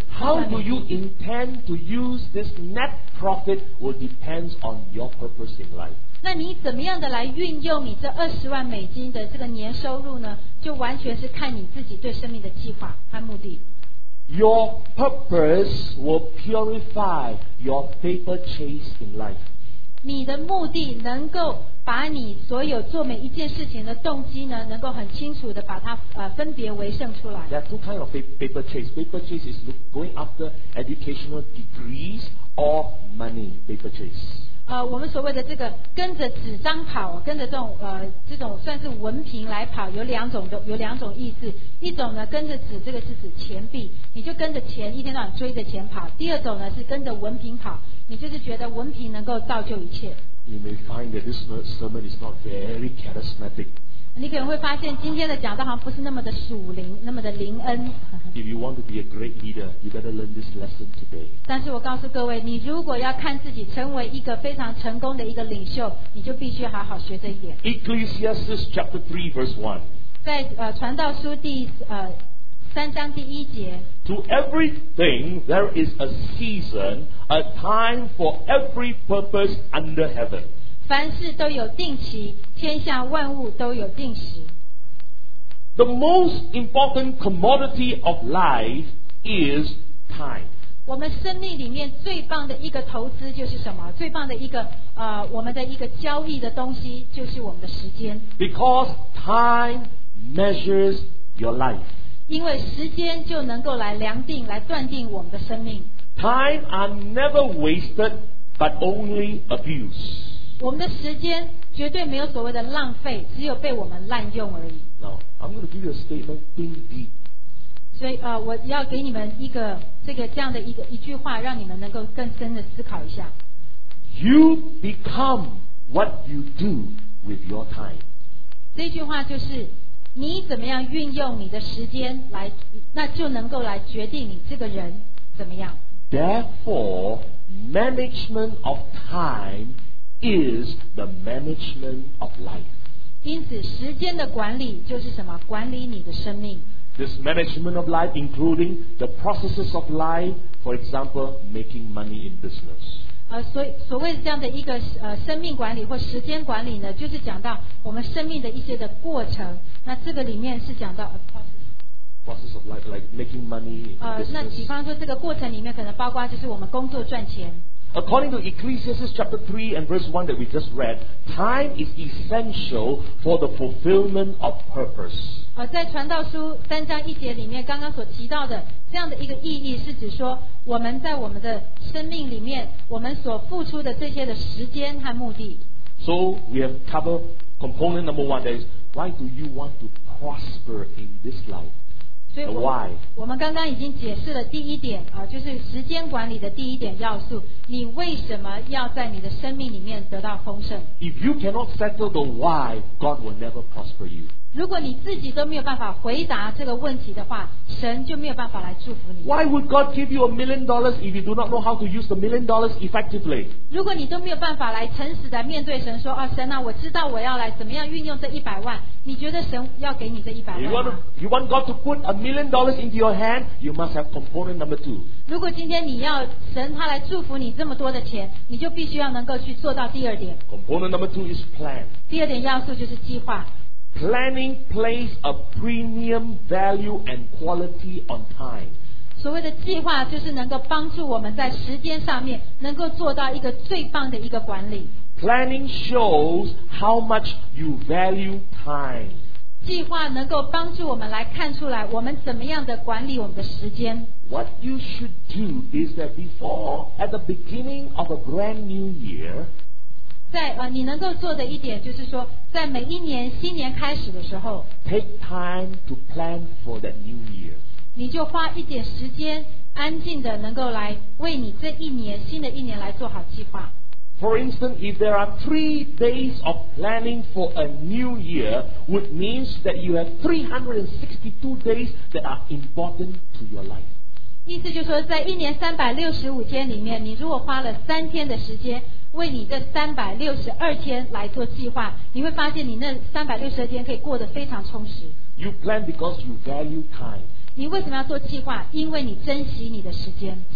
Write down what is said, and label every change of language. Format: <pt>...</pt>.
<en>How do you intend to use this net profit will depends on your purpose in life.</en> <zh>那你怎么样的来运用你这$200,000的这个年收入呢？就完全是看你自己对生命的计划和目的。</zh> <en>Your purpose will purify your paper chase in life.</en> <zh>你的目的能够把你所有做每一件事情的动机呢，能够很清楚的把它分别为胜出来。</zh> <en>There are two kinds of paper chase. Paper chase is going after educational degrees or money. Paper chase.</en> <zh>我们所谓的这个跟着纸张跑，跟着这种算是文凭来跑，有两种意思。一种呢跟着纸，这个是指钱币，你就跟着钱一天到晚追着钱跑。第二种呢是跟着文凭跑，你就是觉得文凭能够造就一切。</zh> <en>You may find that this sermon is not very charismatic.</en> <zh>你可能会发现今天的讲道好像不是那么的属灵，那么的灵恩。</zh> <en>If you want to be a great leader, you better learn this lesson today.</en> <zh>但是我告诉各位，你如果要看自己成为一个非常成功的一个领袖，你就必须好好学这一点。</zh> <en>Ecclesiastes chapter 3 verse 1.</en> <zh>在传道书第三章第一节。</zh> <en>To everything there is a season, a time for every purpose under heaven.</en> <zh>凡事都有定期，天下万物都有定时。</zh> <en>The most important commodity of life is time.</en> <zh>我们生命里面最棒的一个投资就是什么？最棒的一个我们的一个交易的东西就是我们的时间。</zh> <en>Because time measures your life.</en> <zh>因为时间就能够来量定，来断定我们的生命。</zh> <en>Time are never wasted, but only abused.</en> <zh>我们的时间绝对没有所谓的浪费，只有被我们滥用而已。</zh> <en>Now, I'm going to give you a statement, think deep.</en> <zh>所以我要给你们一个这个这样的一句话，让你们能够更深的思考一下。</zh> <en>You become what you do with your time.</en> <zh>这句话就是你怎么样运用你的时间来，那就能够来决定你这个人怎么样。</zh> <en>Therefore, management of time is the management of life.</en> <zh>因此时间的管理就是什么？管理你的生命。</zh> <en>This management of life including the processes of life, for example, making money in business.</en> <zh>所谓这样的一个生命管理或时间管理呢，就是讲到我们生命的一些的过程。那这个里面是讲到</zh> <en>process of life, like making money in business.</en> <zh>那比方说这个过程里面可能包括就是我们工作赚钱。</zh> <en>According to Ecclesiastes chapter 3 and verse 1 that we just read, time is essential for the fulfillment of purpose.</en> <zh>在传道书三章一节里面刚刚所提到的这样的一个意义是指说我们在我们的生命里面我们所付出的这些的时间和目的。</zh> <en>So we have covered component number 1, that is, why do you want to prosper in this life? Why?</en> <zh>我们刚刚已经解释了第一点就是时间管理的第一点要素，你为什么要在你的生命里面得到丰盛？</zh> <en>If you cannot settle the why, God will never prosper you.</en> <zh>如果你自己都没有办法回答这个问题的话，神就没有办法来祝福你。</zh> <en>Why would God give you $1,000,000 if you do not know how to use the $1,000,000 effectively?</en> <zh>如果你都没有办法来诚实的面对神说神啊，我知道我要来怎么样运用这100万，你觉得神要给你这100万？</zh> <en>You want God to put $1,000,000 into your hand, you must have component number 2.</en> <zh>如果今天你要神他来祝福你这么多的钱，你就必须要能够去做到第二点。</zh> <en>Component number 2 is plan.</en> <zh>第二点要素就是计划。</zh> <en>Planning place a premium value and quality on time.</en> <zh>所谓的计划就是能够帮助我们在时间上面能够做到一个最棒的一个管理。</zh> <en>Planning shows how much you value time.</en> <zh>计划能够帮助我们来看出来我们怎么样的管理我们的时间。</zh> <en>What you should do is that before, at the beginning of a brand new year,</en> <zh>在你能够做的一点就是说在每一年新年开始的时候，</zh> <en>take time to plan for that new year.</en> <zh>你就花一点时间安静的能够来为你这一年新的一年来做好计划。</zh> <en>For instance, if there are 3 days of planning for a new year, which means that you have 362 days that are important to your life.</en> <zh>意思就是说在一年365天里面，你如果花了三天的时间为你这362天来做计划，你会发现你那362天可以过得非常充实。</zh> <en>You plan because you value time.</en> <zh>你为什么要做计划？因为你珍惜你的时间。</zh>